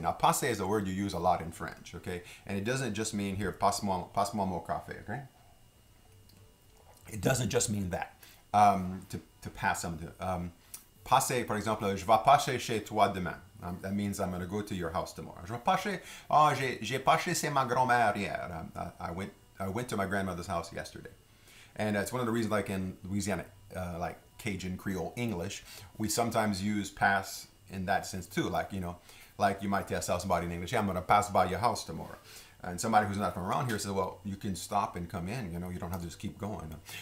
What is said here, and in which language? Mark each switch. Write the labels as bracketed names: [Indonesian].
[English] Now, passer is a word you use a lot in French, okay? And it doesn't just mean here, [French] passe-moi mon café, [English] okay? It doesn't just mean that, to pass something. Passer, for example, [French] je vais passer chez toi demain. [English] That means I'm going to go to your house tomorrow. [French] Je vais passer, oh, j'ai passé chez ma grand-mère hier. [English] I went to my grandmother's house yesterday. And that's one of the reasons, like in Louisiana, like Cajun Creole English, we sometimes use pass in that sense too. Like, you know, like you might tell somebody in English, yeah, I'm going to pass by your house tomorrow. And somebody who's not from around here says, well, you can stop and come in. You know, you don't have to just keep going.